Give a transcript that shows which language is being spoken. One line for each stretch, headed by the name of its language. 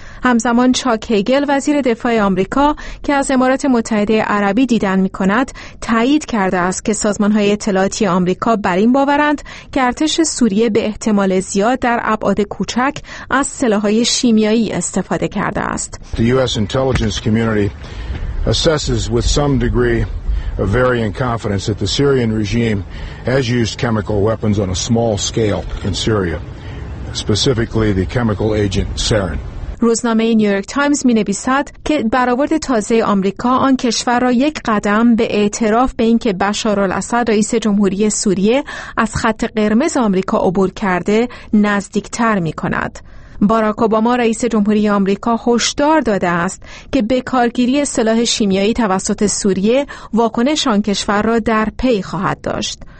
Persian: همزمان چاک هیگل، وزیر دفاع آمریکا که از امارات متحده عربی دیدن می‌کند، تایید کرده است که سازمان‌های اطلاعاتی آمریکا بر این باورند که ارتش سوریه به احتمال زیاد در ابعاد کوچک از سلاح‌های شیمیایی استفاده کرده است.
English: The US intelligence community assesses with some degree of varying confidence that the Syrian regime has used chemical weapons on a small scale in Syria, specifically the chemical agent sarin.
Persian: روزنامه نیویورک تایمز می نویسد که برآورد تازه آمریکا آن کشور را یک قدم به اعتراف به این که بشارالاسد رئیس جمهوری سوریه از خط قرمز آمریکا عبور کرده نزدیکتر می کند. باراک اوباما رئیس جمهوری آمریکا هشدار داده است که بکارگیری سلاح شیمیایی توسط سوریه واکنش آن کشور را در پی خواهد داشت.